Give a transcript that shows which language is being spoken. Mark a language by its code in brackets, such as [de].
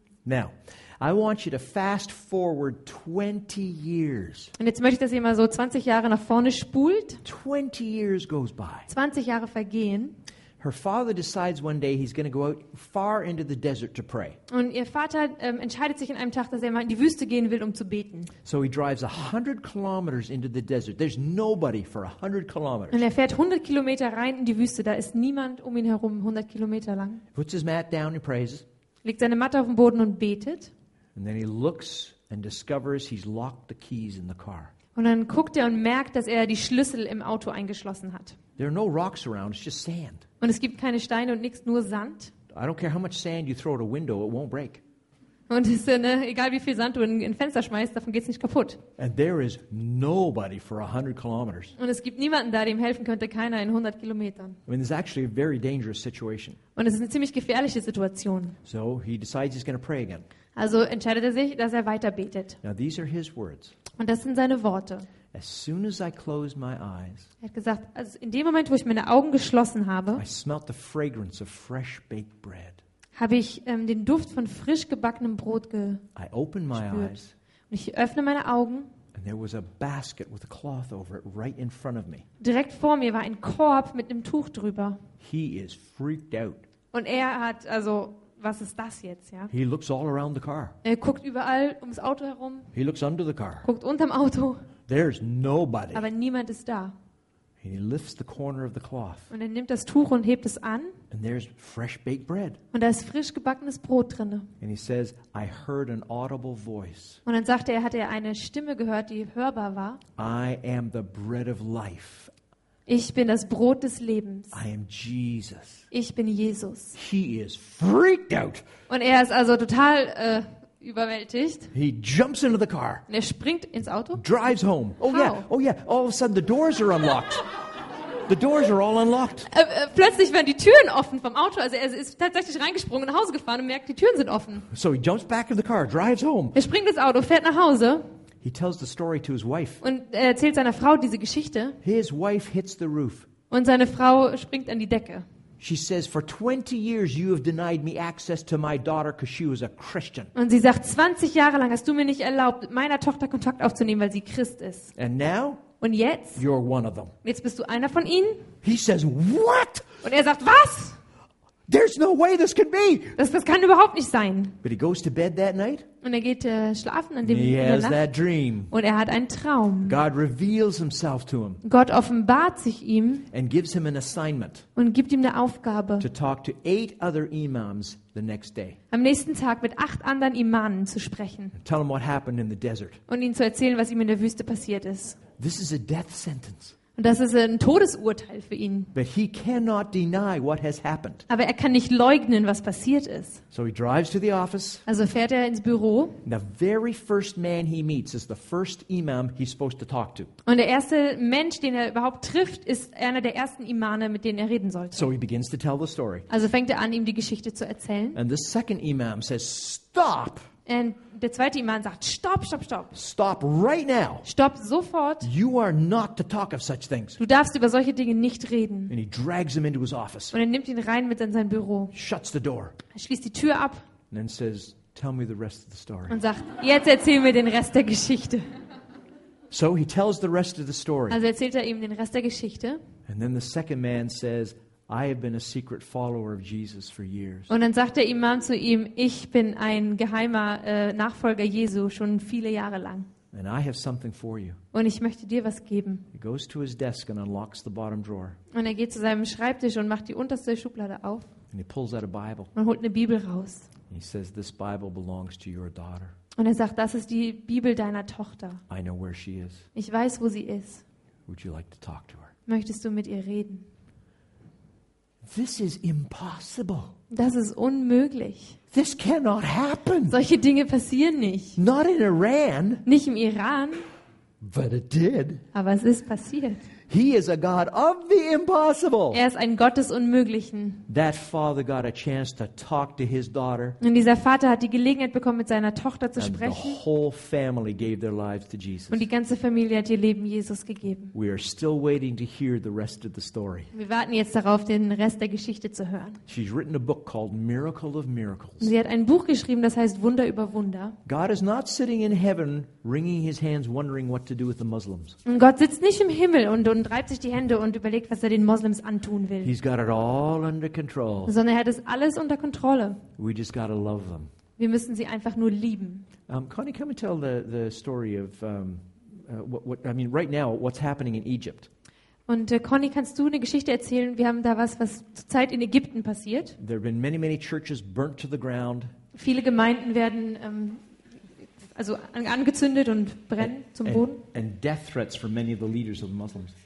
[en] Now, I want you to fast forward 20 years. [de] Und jetzt möchte ich, dass ihr mal so 20 Jahre nach vorne spult. [en] 20 years goes by. [de] 20 Jahre vergehen. [en] Her father decides one day he's going to go out far into the desert to pray. [de] Und ihr Vater entscheidet sich an einem Tag, dass er mal in die Wüste gehen will, um zu beten. [en] So he drives 100 kilometers into the desert. There's nobody for 100 kilometers. [de] Und er fährt 100 Kilometer rein in die Wüste, da ist niemand um ihn herum, 100 Kilometer lang. [en] Puts his mat down and prays. [de] Legt seine Matte auf den Boden und betet. [en] And then he looks and discovers he's locked the keys in the car. [de] Und dann guckt er und merkt, dass er die Schlüssel im Auto eingeschlossen hat. [en] There are no rocks around, it's just sand. [de] Und es gibt keine Steine und nichts, nur Sand. [en] I don't care how much sand you throw at a window, it won't break. [de] Und es ist, ne, egal wie viel Sand du in ein Fenster schmeißt, davon geht's nicht kaputt. [en] And there is nobody for 100 kilometers. [de] Und es gibt niemanden da, dem helfen könnte, keiner in 100 Kilometern. [en] I mean, this is actually a very dangerous situation. [de] Und es ist eine ziemlich gefährliche Situation. [en] So he decides he's going to pray again. [de] Also entscheidet er sich, dass er weiter betet. [en] Now these are his words. [de] Und das sind seine Worte. [en] As soon as I closed my eyes, [de] er hat gesagt, also in dem Moment, wo ich meine Augen geschlossen habe, [en] I smelt the fragrance of fresh baked bread. [de] Habe ich den Duft von frisch gebackenem Brot [en] I opened my [de] spürt. [en] Eyes, [de] und ich öffne meine Augen. [en] And there was a basket with a cloth over it right in front of me. [de] Direkt vor mir war ein Korb mit einem Tuch drüber. [en] He is freaked out. [de] Und er hat also was ist das jetzt, ja? [en] He looks all around the car. [de] Er guckt überall ums Auto herum. [en] He looks under the car. [de] Guckt unterm Auto. [en] There's nobody. [de] Aber niemand ist da. [en] And he lifts the corner of the cloth. [de] Und er nimmt das Tuch und hebt es an. [en] And there's fresh baked bread. [de] Und da ist frisch gebackenes Brot drinne. [en] And he says, I heard an audible voice. [de] Und dann sagte er, hat er eine Stimme gehört, die hörbar war. [en] I am the bread of life. [de] Ich bin das Brot des Lebens. [en] I am Jesus. [de] Ich bin Jesus. [en] He is freaked out. [de] Und er ist also total überwältigt. [en] He jumps into the car. [de] Und er springt ins Auto. [en] Drives home. Oh how? Yeah. Oh yeah. All of a sudden the doors are unlocked. The doors are all unlocked. [de] Plötzlich werden die Türen offen vom Auto. Also er ist tatsächlich reingesprungen, nach Hause gefahren und merkt, die Türen sind offen. [en] So he jumps back in the car, drives home. [de] Er springt ins Auto, fährt nach Hause. [en] He tells the story to his wife. [de] Und er erzählt seiner Frau diese Geschichte. [en] His wife hits the roof. [de] Und seine Frau springt an die Decke. [en] She says, "For 20 years, you have denied me access to my daughter because she was a Christian." [de] Und sie sagt, 20 Jahre lang hast du mir nicht erlaubt, meiner Tochter Kontakt aufzunehmen, weil sie Christ ist. [en] And now? [de] Und jetzt? [en] You're one of them. [de] Jetzt bist du einer von ihnen. [en] He says, "What?" [de] Und er sagt, was? [en] There's no way this could be. [de] Das kann überhaupt nicht sein. [en] But he goes to bed that night. [de] Und er geht schlafen an dem Nacht. [en] He has that dream. [de] Und er hat einen Traum. [en] God reveals himself to him. [de] Gott offenbart sich ihm. [en] And gives him an assignment. [de] Und gibt ihm eine Aufgabe. [en] To talk to 8 other imams the next day. [de] Am nächsten Tag mit 8 anderen Imamen zu sprechen. [en] Tell him what happened in the desert. [de] Und ihnen zu erzählen, was ihm in der Wüste passiert ist. [en] This is a death sentence. [de] Und das ist ein Todesurteil für ihn. [en] But he cannot deny what has happened. [de] Aber er kann nicht leugnen, was passiert ist. [en] So he drives to the office. [de] Also fährt er ins Büro. [en] The very first man he meets is the first imam he's supposed to talk to. [de] Und der erste Mensch, den er überhaupt trifft, ist einer der ersten Imame, mit denen er reden sollte. [en] So he begins to tell the story. [de] Also fängt er an, ihm die Geschichte zu erzählen. [en] And the second imam says, "Stop." [de] Und der zweite Imam sagt, stopp, stopp, stopp. [en] Stop right now. [de] Stopp sofort. [en] You are not to talk of such things. [de] Du darfst über solche Dinge nicht reden. [en] And he drags him into his office. [de] Und er nimmt ihn rein mit in sein Büro. [en] Shuts the door. [de] Er schließt die Tür ab. [en] And then says, tell me the rest of the story. [de] Und sagt, jetzt erzähl mir den Rest der Geschichte. [en] So he tells the rest of the story. [de] Also erzählt er ihm den Rest der Geschichte. [en] And then the second man says, I have been a secret follower of Jesus for years. [de] Und dann sagt der Imam zu ihm, ich bin ein geheimer Nachfolger Jesu schon viele Jahre lang. [en] And I have something for you. [de] Und ich möchte dir was geben. [en] He goes to his desk and unlocks the bottom drawer. [de] Und er geht zu seinem Schreibtisch und macht die unterste Schublade auf. [en] And he pulls out a Bible. [de] Und holt eine Bibel raus. [en] He says, this Bible belongs to your daughter. [de] Und er sagt, das ist die Bibel deiner Tochter. [en] I know where she is. [de] Ich weiß, wo sie ist. [en] Would you like to talk to her? [de] Möchtest du mit ihr reden? [en] This is impossible. [de] Das ist unmöglich. [en] This cannot happen. [de] Solche Dinge passieren nicht. [en] Not in Iran. [de] Nicht im Iran. [en] But it did. [de] Aber es ist passiert. [en] He is a God of the impossible. [de] Er ist ein Gott des Unmöglichen. [en] That father got a chance to talk to his daughter. [de] Und dieser Vater hat die Gelegenheit bekommen, mit seiner Tochter zu sprechen. [en] And the whole family gave their lives to Jesus. [de] Und die ganze Familie hat ihr Leben Jesus gegeben. [en] We are still waiting to hear the rest of the story. [de] Wir warten jetzt darauf, den Rest der Geschichte zu hören. [en] She's written a book called Miracle of Miracles. [de] Sie hat ein Buch geschrieben, das heißt Wunder über Wunder. [en] God is not sitting in heaven wringing his hands wondering what to do with the Muslims. [de] Und Gott sitzt nicht im Himmel und reibt sich die Hände und überlegt, was er den Moslems antun will. [en] He's got it all under control. [de] Sondern er hat es alles unter Kontrolle. [en] We just gotta love them. [de] Wir müssen sie einfach nur lieben. [en] Connie, come and tell the story of right now what's happening in Egypt. [de] Und Connie, kannst du eine Geschichte erzählen? Wir haben da was zurzeit in Ägypten passiert. [en] There have been many, many churches burnt to the ground. [de] Viele Gemeinden werden angezündet und brennen zum Boden. [en] And death threats for many of the leaders of the Muslims.